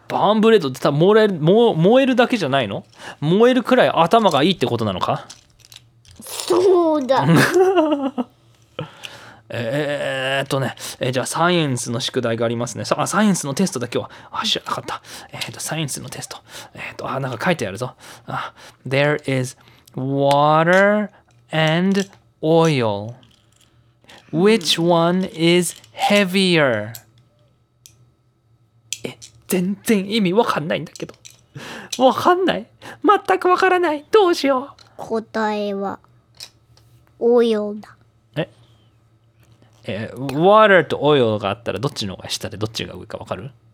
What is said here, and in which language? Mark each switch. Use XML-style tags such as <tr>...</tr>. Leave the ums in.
<ja>バンブレードってさ、燃燃燃えるだけじゃないの燃えるくらい頭がいいってことなのかそうだえー、っとね、えー、じゃあサイエンスの宿題がありますね。さあ、サイエンスのテストだ、けは。あ、知らなかった。えー、っと、サイエンスのテスト。えー、っと、あ、なんか書いてあるぞ。</ja> <en>あ、There is water and oil.Which one is heavier?</en> <ja>え、全然意味わかんないんだけど。わかんない。全くわからない。どうしよう。答えは、オイルだ。えー、w a と oil があったらどっちの方が下でどっちが上かわかる</ja>